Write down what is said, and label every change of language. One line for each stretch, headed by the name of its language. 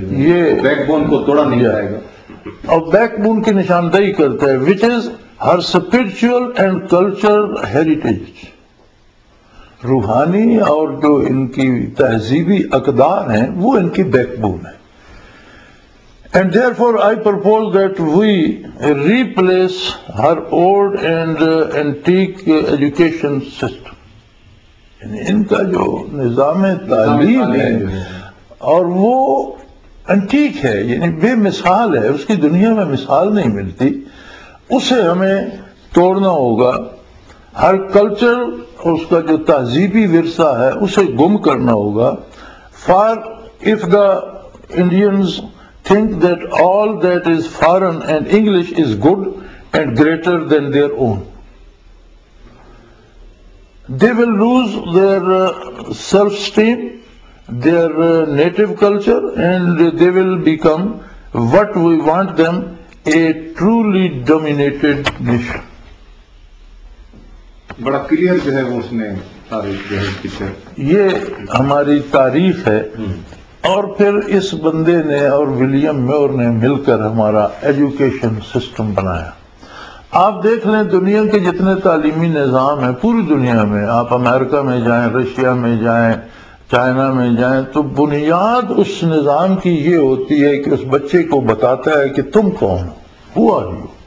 Urdu: یہ back bone کو توڑا نہیں جائے گا. اور بیک بون کی نشاندہی کرتا ہے,
English: which is her spiritual and cultural heritage.
Urdu: روحانی اور جو ان کی تہذیبی اقدار ہیں وہ ان کی بیک بون ہے.
English: And therefore I propose that we replace her old and antique education system.
Urdu: ان کا جو نظام تعلیم ہے اور وہ انٹیک ہے, یعنی بے مثال ہے, اس کی دنیا میں مثال نہیں ملتی, اسے ہمیں توڑنا ہوگا. ہر کلچر, اس کا جو تہذیبی ورثہ ہے, اسے گم کرنا ہوگا.
English: Far of the Indians think that all that is foreign and English is good and greater than their own, they will lose their self-esteem, their native culture, and they will become what we want them, a truly dominated nation.
Urdu: بڑا clear جو ہے وہ اس نے تعریف کی ہے. یہ ہماری تعریف ہے. اور پھر اس بندے نے اور ولیم میور نے مل کر ہمارا ایجوکیشن سسٹم بنایا. آپ دیکھ لیں دنیا کے جتنے تعلیمی نظام ہیں پوری دنیا میں, آپ امریکہ میں جائیں, رشیا میں جائیں, چائنا میں جائیں, تو بنیاد اس نظام کی یہ ہوتی ہے کہ اس بچے کو بتاتا ہے کہ تم کون ہو,
English: who are you,